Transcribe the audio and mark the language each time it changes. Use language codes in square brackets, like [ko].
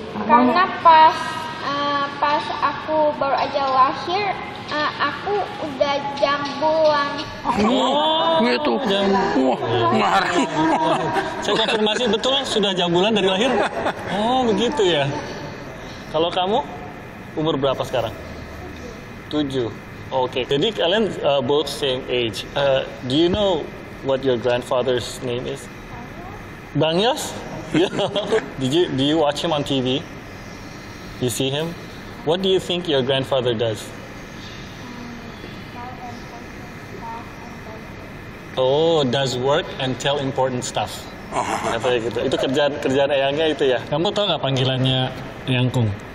[id] Karena pas aku baru aja lahir, aku udah jambulan. Wow, gitu. Marah. Saya konfirmasi betul sudah jambulan dari lahir. Oh, begitu ya. Kalau kamu umur berapa sekarang? 7. Oke. Okay. Jadi kalian [en] both same age. Do you know what your grandfather's name is? Bang Yos? Do you watch him on TV? You see him? What do you think your grandfather does? Oh, does work and tell important stuff. [id] Apa gitu? Itu kerjaan eyangnya itu ya. Kamu tahu nggak panggilannya Yangkung?